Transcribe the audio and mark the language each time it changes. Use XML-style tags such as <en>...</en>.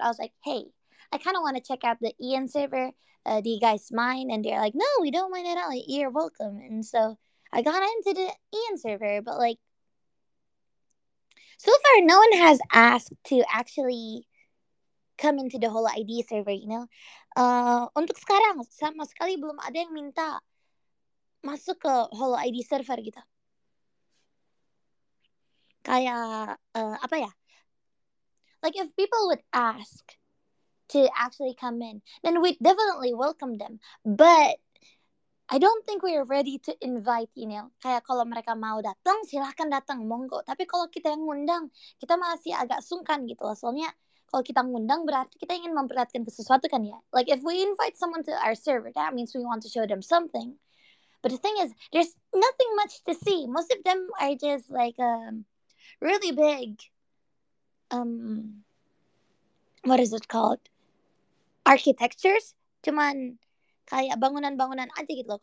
<en>I was like, hey, I kind of want to check out the Ian server. Do you guys mind? And they're like, no, we don't mind at all. Like, you're welcome. And so I got into the Ian server, but like, so far, no one has asked to actually come into the whole ID server, you know?</en> <id>Untuk sekarang, sama sekali belum ada yang minta masuk ke whole ID server gitu. Kayak, apa ya?</id> <en>Like, if people would ask to actually come in, then we'd definitely welcome them. But I don't think we're ready to invite, you know?</en> <id>Kayak kalau mereka mau datang, silahkan datang, monggo. Tapi kalau kita yang ngundang, kita masih agak sungkan gitu loh. Soalnya, kalau kita ngundang, berarti kita ingin memperlihatkan sesuatu kan ya?</id> <en>Like, if we invite someone to our server, that means we want to show them something. But the thing is, there's nothing much to see. Most of them are just like, really big, what is it called?</en> <id>Architectures? Cuman kayak bangunan-bangunan aja gitu loh.</id>